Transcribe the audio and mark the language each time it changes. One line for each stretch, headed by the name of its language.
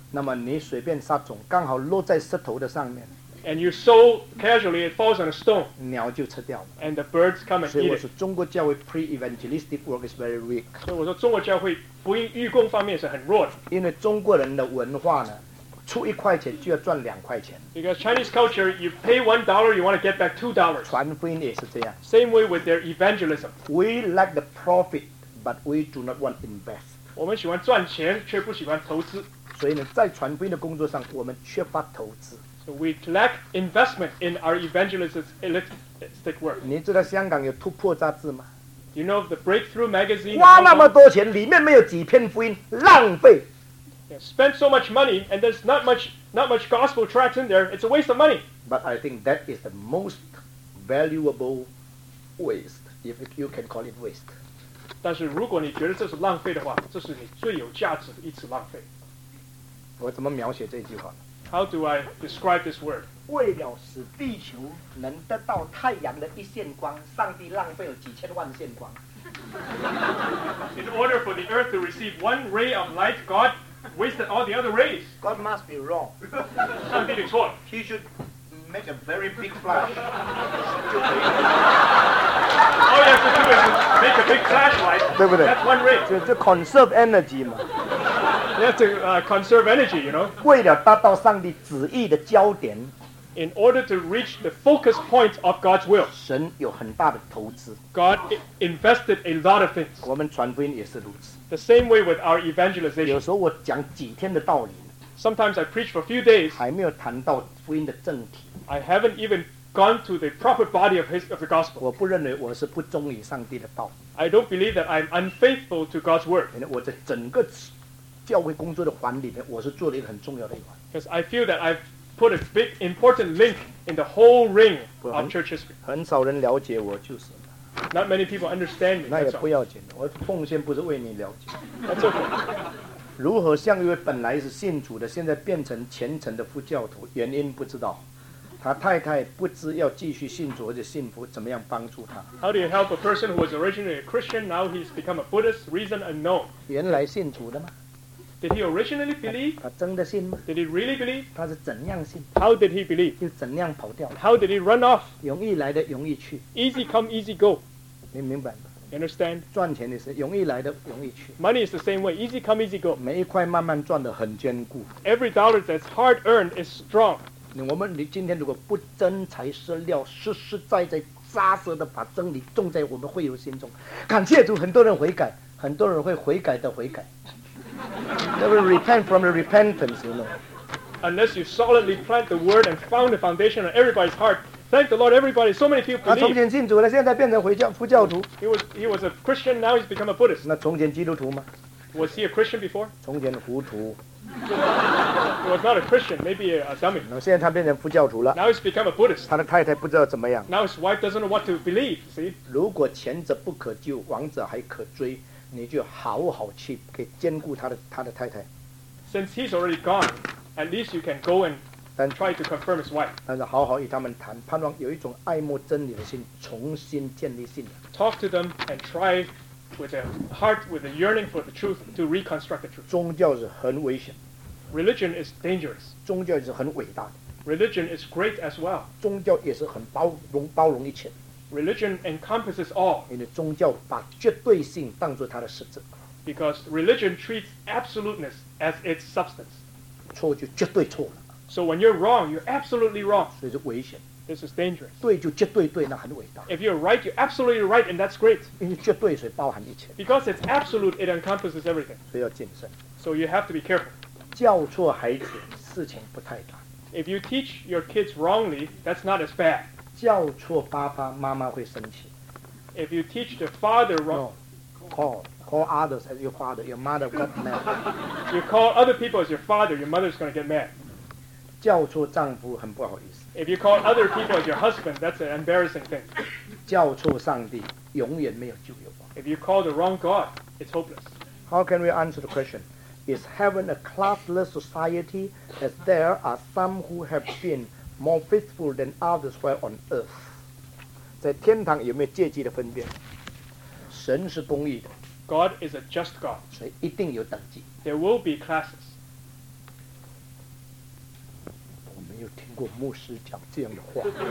Chinese: 那么你随便撒种，刚好落在石头的上面。
English: And you sow casually, it falls on a stone.
Chinese: 鸟就吃掉了。
English: And the birds come and eat it.
Chinese: 所以我说中国教会
English: pre-evangelistic work is very weak.
Chinese: 所以我说中国教会福音预供方面是很弱的。因为中国人的文化呢，出一块钱就要赚两块钱。
English: Because Chinese culture, you pay $1, you want to get back $2.
Chinese: 传福音也是这样。
English: Same way with their evangelism. We like the profit, but we do not want to invest.
Chinese: 我们喜欢赚钱，却不喜欢投资。所以呢，在传福音的工作上，我们缺乏投资。
English: So we lack investment in our evangelistic work.
Chinese: 你知道香港有突破杂志吗？
English: Do you know the Breakthrough magazine?
Chinese: 花那么多钱，里面没有几篇福音，浪费。
English: Yeah, spend so much money, and there's not much gospel tracts in there. It's a waste of money. But I think that is the most valuable waste, if you can call it waste.
Chinese: 但是如果你觉得这是浪费的话，这是你最有价值的一次浪费。我怎么描写这句话？
English: How do I describe this word?
Chinese: 为了使地球能得到太阳的一线光，上帝浪费了几千万线光。
English: In order for the earth to receive one ray of light, God wasted all the other rays. God must be wrong.
Chinese: 上帝的错了。
English: He should make a very big flash. All you have to do is make a big flashlight.
Chinese: 对不对？
English: That's one ray.
Chinese: 就
English: conserve energy
Chinese: 嘛。
English: You have to conserve energy, you know.
Chinese: 为了达到上帝旨意的焦点。
English: In order to reach the focus point of God's will,
Chinese: 神有很大的投资。
English: God invested a lot of things.
Chinese: 我们传福音也是如此。
English: The same way with our evangelization.
Chinese: 有时候我讲几天的道理。
English: Sometimes I preach for a few days.
Chinese: 还没有谈到福音的正题。
English: I haven't even gone to the proper body of the gospel.
Chinese: 我不认为我是不忠于上帝的道。
English: I don't believe that I'm unfaithful to God's word.
Chinese: 因为我在整个教会工作的环里面，我是做了一个很重要的一环。
English: Because I feel that I've put a big important link in the whole ring of church history.
Chinese: 很少人了解我就是。
English: Not many people understand me.
Chinese: 那也不要紧，我奉献不是为你了解。
English: That's okay.
Chinese: 如何像一位本来是信主的，现在变成虔诚的副教徒？原因不知道。他太太不知要继续信主或者信佛，怎么样帮助他
English: ？How do you help a person who was originally a Christian, now he's become a Buddhist? Reason unknown.
Chinese: 原来信主的吗？
English: Did he originally believe?
Chinese: 他真的信吗？
English: Did he really believe?
Chinese: 他是怎样信？
English: How did he believe?
Chinese: 又怎样跑掉？
English: How did he run off?
Chinese: 容易来的容易去。
English: Easy come, easy go.
Chinese: 你明白吗？
English: Understand?
Chinese: 赚钱也是容易来的容易去。
English: Money is the same way. Easy come, easy go.
Chinese: 每一块慢慢赚的很坚固。
English: Every dollar that's hard earned is strong.
Chinese: 我们今天如果不真材实料，实实在在扎实的把真理种在我们会友心中，感谢主，很多人悔改，很多人会悔改的悔改。
English: They will repent from the repentance, you know. Unless you solidly plant the word and found the foundation on everybody's heart. Thank the Lord, everybody. So many people believe.
Chinese: 他从前信主了，现在变成回教副教徒。
English: He was a Christian, now he's become a Buddhist.
Chinese: 那从前基督徒吗？
English: Was he a Christian before?
Chinese: 从前糊涂。
English: He was not a Christian, maybe a dummy.
Chinese: 那现在他变成副教徒了。
English: Now he's become a Buddhist.
Chinese: 他的太太不知道怎么样。
English: Now his wife doesn't know what to believe, see?
Chinese: 如果前者不可救，往者还可追。你就好好去给兼顾他的太太。
English: Since he's already gone, at least you can go and try to confirm his wife.
Chinese: 但是好好与他们谈，盼望有一种爱慕真理的心重新建立信仰。
English: Talk to them and try with a heart with a yearning for the truth to reconstruct the truth.
Chinese: 宗教是很危险。
English: Religion is dangerous.
Chinese: 宗教是很伟大的。
English: Religion is great as well.
Chinese: 宗教也是很包容一切。
English: Religion encompasses all.
Chinese: 因为宗教把绝对性当作它的实质。
English: Because religion treats absoluteness as its substance.
Chinese: 错就绝对错了。
English: So when you're wrong, you're absolutely wrong.
Chinese: 所以是危险。
English: This is dangerous.
Chinese: 对就绝对对，那很伟大。
English: If you're right, you're absolutely right, and that's great.
Chinese: 因为绝对所以包含一切。
English: Because it's absolute, it encompasses everything.
Chinese: 所以要谨慎。
English: So you have to be careful.
Chinese: 教错孩子，事情不太大。
English: If you teach your kids wrongly, that's not as bad.
Chinese: 叫错爸爸妈妈会生气。
English: If you teach the father wrong, call others as your father, your mother got mad. You call other people as your father, your mother's going to get mad.
Chinese: 叫错丈夫很不好意思。
English: If you call other people as your husband, that's an embarrassing thing.
Chinese: 叫错上帝永远没有救有望。
English: If you call the wrong God, it's hopeless. How can we answer the question? Is heaven a classless society as there are some who have been? More faithful than others while on earth.
Chinese: 在天堂有没有阶级的分别？神是公义的。
English: God is a just God.
Chinese: 所以一定有等级。
English: There will be classes.
Chinese: 我没有听过牧师讲这样的话。